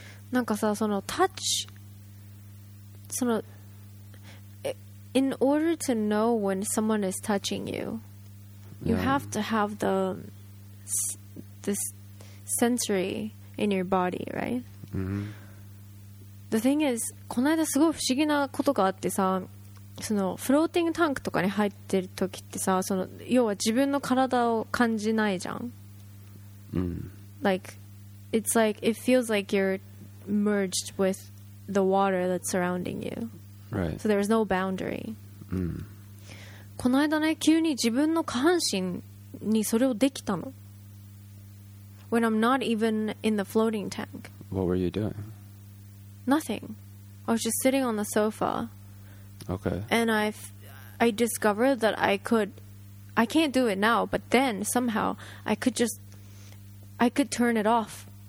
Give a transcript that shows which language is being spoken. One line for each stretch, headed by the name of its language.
Japanese: なんかさ、その
English: touch、
Japanese: その
English: in order to know when someone is touching you, you have to have this sensory in your body, right? Mm-hmm. The thing is,
Japanese: この間すごい不思議なことがあってさ。そのフローティングタンクとかに入ってる時ってさ、その要は自分の体を感じないじゃん。
English: Like it's like it feels like you're merged with the water that's surrounding you. Right. So there is no boundary.
Japanese: この間ね、急に自分の下半身にそれをできたの。
English: When I'm not even in the floating tank. What were you doing? Nothing. I was just sitting on the sofa. Okay. And I discovered that I could, I can't do it now, but then somehow I could just, I could turn it off.